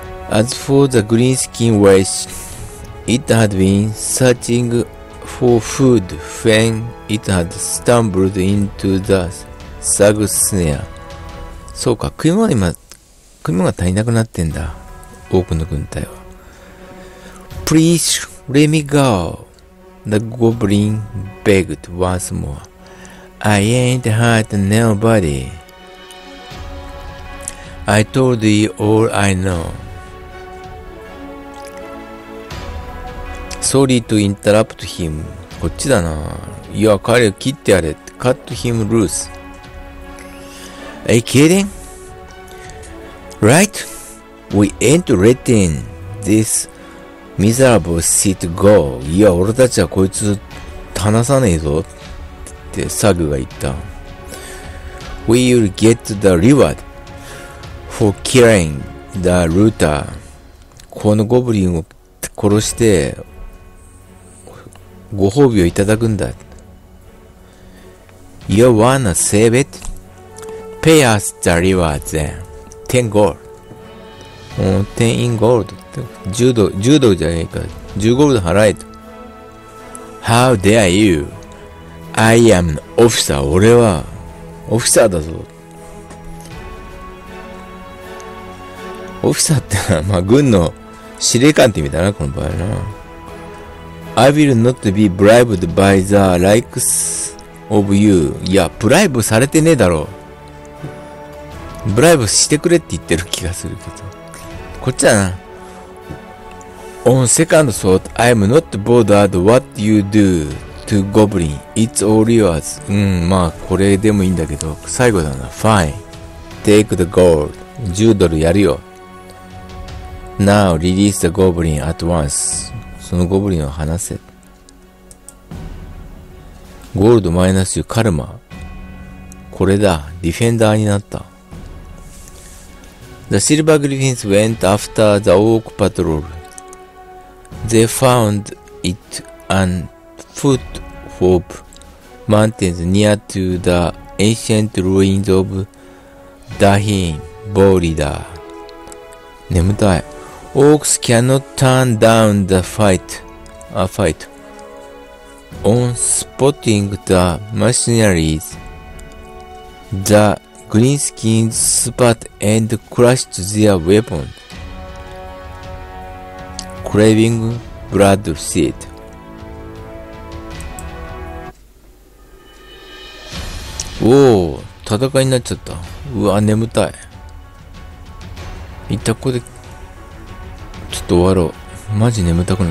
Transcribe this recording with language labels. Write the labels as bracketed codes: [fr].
[en] As for the green skin race, it had been searching for food when it had stumbled into the thug's snare. [ja] そうか、食い物が今、食い物が足りなくなってんだ。オークの軍隊は。 [en] Please let me go. The goblin begged once more. I ain't hurt nobody. I told you all I know. Sorry to interrupt him. [ja] こっちだな。いや、彼を切ってやれ。 [en] Cut him loose. Are you kidding? Right? We ain't letting this miserable shit go. [ja] いや、俺たちはこいつ、離さねえぞ。って、サグが言った。 [en] We will get the reward for killing the looter. [ja] このゴブリンを殺して、ご褒美をいただくんだ。 [en] You wanna save it? Pay us the reward then. 10 gold. 10 in gold. [ja] 10ドルじゃねえか。10ゴールド払えと。 [en] How dare you? I am an officer. [ja] 俺は、オフィサーだぞ。オフィサーってのは、まあ、軍の司令官って意味だな、この場合な。 [en] I will not be bribed by the likes of you. [ja] いや、ブライブされてねえだろう。ブライブしてくれって言ってる気がするけど。こっちだな。 [en] On second thought, I'm not bothered what you do to goblin. It's all yours. [ja] うん、まあ、これでもいいんだけど、最後だな。 [en] Fine. Take the gold. [ja] 10ドルやるよ。 [en] Now release the goblin at once. [ja] そのゴブリンを放せ。ゴールドマイナス10カルマ。これだ。ディフェンダーになった。 [en] The silver griffins went after the orc patrol. They found it an foot of mountains near to the ancient ruins of Dahin Borida. [ja] 眠たい。 [en] Orcs cannot turn down the fight. On spotting the mercenaries, theGreen skins spat and crushed their weapon, craving blood seed. [ja] おお、戦いになっちゃった。うわ、眠たい。一旦ここで、ちょっと終わろう。マジ眠たくなった。